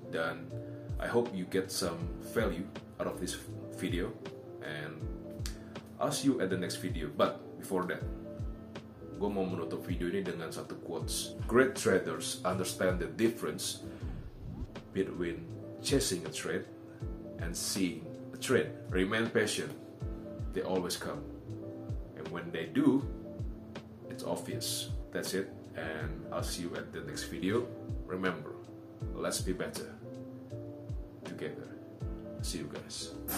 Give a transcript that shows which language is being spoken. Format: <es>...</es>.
<en>Dan I hope you get some value out of this video, and I'll see you at the next video. But before that,</en> <id>gue mau menutup video ini dengan satu quotes.</id> <en>Great traders understand the difference between chasing a trade and seeing a trade. Remain patient, they always come, and when they do, it's obvious. That's it, and I'll see you at the next video. Remember, let's be better together. See you guys.</en>